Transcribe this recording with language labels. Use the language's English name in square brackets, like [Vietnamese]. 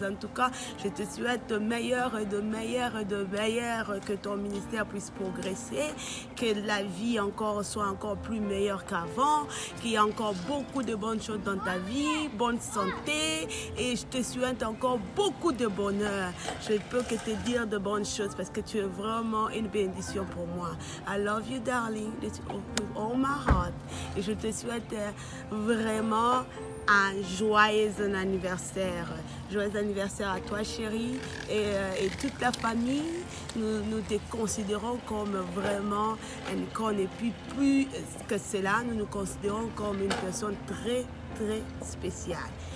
[French] En tout cas, je te souhaite de meilleur et de meilleur et de meilleur, que ton ministère puisse progresser, que la vie encore soit encore plus meilleure qu'avant, qu'il y ait encore beaucoup de bonnes choses dans ta vie, bonne santé. Et je te souhaite encore beaucoup de bonheur. Je ne peux que te dire de bonnes choses parce que tu es vraiment une bénédiction pour moi. [English] I love you, darling, with all my heart. [French] Et je te souhaite vraiment un joyeux anniversaire. Joyeux anniversaire à toi, chérie, et toute la famille. Nous te considérons comme vraiment une conne. Et puis plus que cela, nous nous considérons comme une personne très, très spéciale.